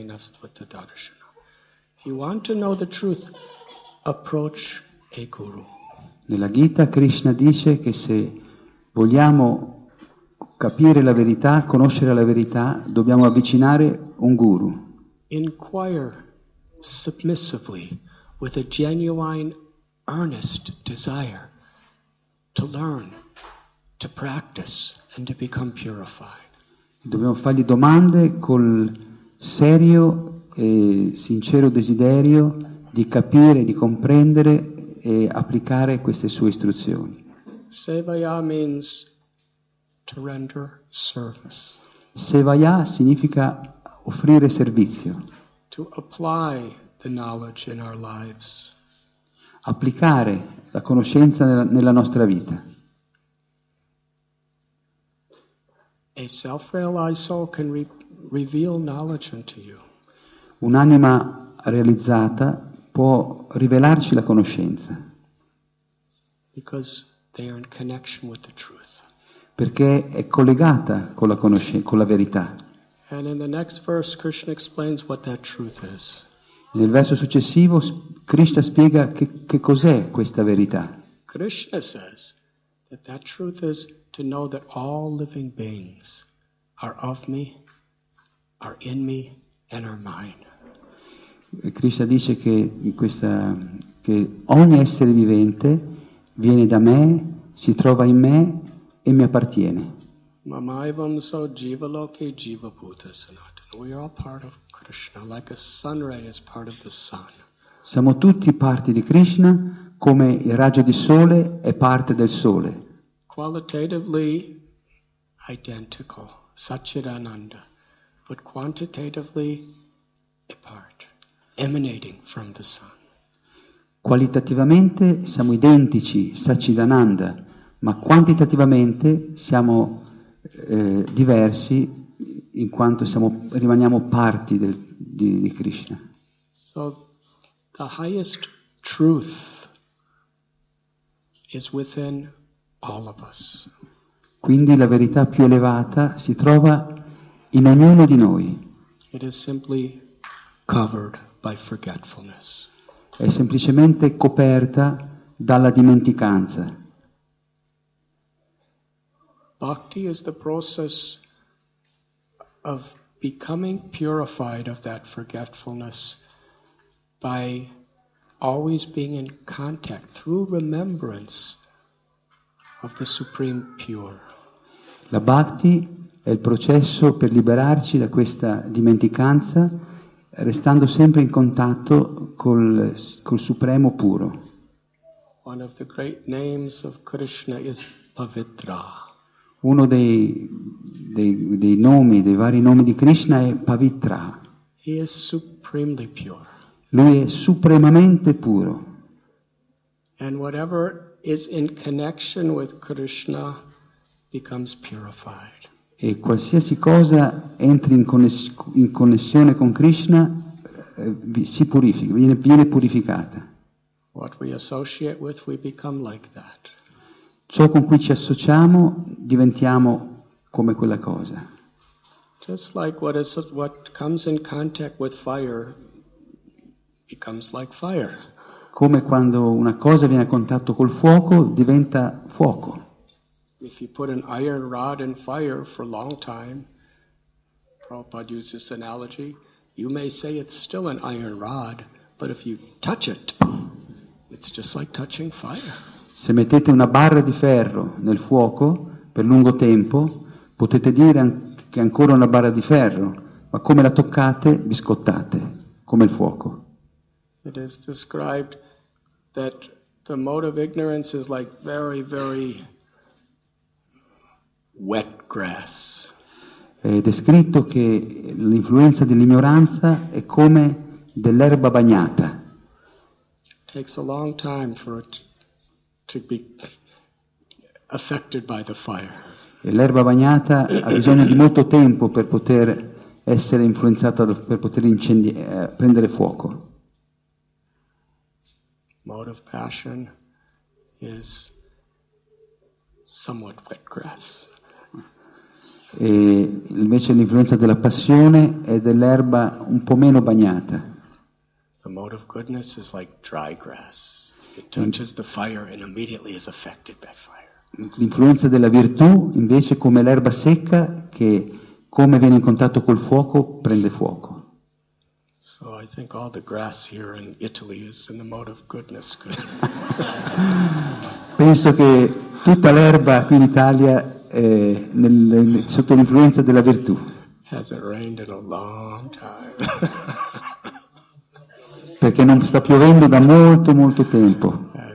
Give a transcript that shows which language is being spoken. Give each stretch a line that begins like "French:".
English: If you want to know the truth, approach a guru.
Italian: Nella Gita Krishna dice che se vogliamo capire la verità, conoscere la verità, dobbiamo avvicinare un guru.
English: Inquire submissively with a genuine, earnest desire to learn, to practice, and to become purified.
Italian: Dobbiamo fargli domande col serio e sincero desiderio di capire, di comprendere e applicare queste sue istruzioni.
English: Sevaya means to render service.
Italian: Sevaya significa offrire servizio.
English: To apply the knowledge in our lives.
Italian: Applicare la conoscenza nella nostra vita.
English: A self-realized soul can reveal knowledge unto you.
Italian: Un'anima realizzata può rivelarci la conoscenza.
English: Because they are in connection with the truth.
Italian: Perché è collegata con la conoscenza, con la verità.
English: And in the next verse, Krishna explains what that truth is.
Italian: Nel verso successivo, Krishna spiega che cos'è questa verità.
English: Krishna says that that truth is to know that all living beings are of me, are in me, and are mine.
Italian: E Krishna dice che in questa, che ogni essere vivente viene da me, si trova in me e mi appartiene.
Sanskrit: Mamaivam so jivaloke jivabhuta sanatana.
English: We are all part of Krishna, like a sun ray is part of the sun.
Italian: Siamo tutti parte di Krishna, come il raggio di sole è parte del sole.
English: Qualitatively identical, Satchidananda, but quantitatively apart, emanating from the sun.
Italian: Qualitativamente siamo identici, Satchidananda, ma quantitativamente siamo diversi, in quanto siamo, rimaniamo parti del, di Krishna.
English: So the highest truth is within all of us.
Italian: Quindi la verità più elevata si trova in ognuno di noi.
English: It is simply covered by forgetfulness.
Italian: È semplicemente coperta dalla dimenticanza.
English: Bhakti is the process of becoming purified of that forgetfulness by always being in contact through remembrance of the Supreme Pure.
Italian: La bhakti è il processo per liberarci da questa dimenticanza restando sempre in contatto col Supremo Puro.
English: One of the great names of Krishna is Pavitra.
Italian: Uno dei nomi, dei vari nomi di Krishna è Pavitra.
English: He is supremely pure.
Italian: Lui è supremamente puro.
English: And whatever is in connection with Krishna becomes purified.
Italian: E qualsiasi cosa entri in connessione con Krishna si purifica, viene purificata.
English: What we associate with, we become like that.
Italian: Ciò con cui ci associamo diventiamo come quella cosa.
English: Just like what comes in contact with fire becomes like fire.
Italian: Come quando una cosa viene a contatto col fuoco diventa fuoco.
English: If you put an iron rod in fire for a long time, Prabhupada uses this analogy, you may say it's still an iron rod, but if you touch it, it's just like touching fire.
Italian: Se mettete una barra di ferro nel fuoco per lungo tempo, potete dire che è ancora una barra di ferro, ma come la toccate, vi scottate, come il fuoco.
English: It is described that the mode of ignorance is like very, very wet grass.
Italian: È descritto che l'influenza dell'ignoranza è come dell'erba bagnata.
English: Takes a long time for it to be affected by the fire.
Italian: E l'erba bagnata ha bisogno di molto tempo per poter essere influenzata, per poter prendere fuoco.
English: Mode of passion is somewhat wet grass.
Italian: E invece l'influenza della passione è dell'erba un po' meno bagnata.
English: The mode of goodness is like dry grass. It touches the fire and immediately is affected by fire.
Italian: L'influenza della virtù invece è come l'erba secca che, come viene in contatto col fuoco, prende fuoco.
English: So I think all the grass here in Italy is in the mode of goodness.
Italian: Penso che tutta l'erba qui in Italia è sotto l'influenza della virtù.
English: Hasn't rained in a long time.
Italian: Perché non sta piovendo da molto, molto tempo.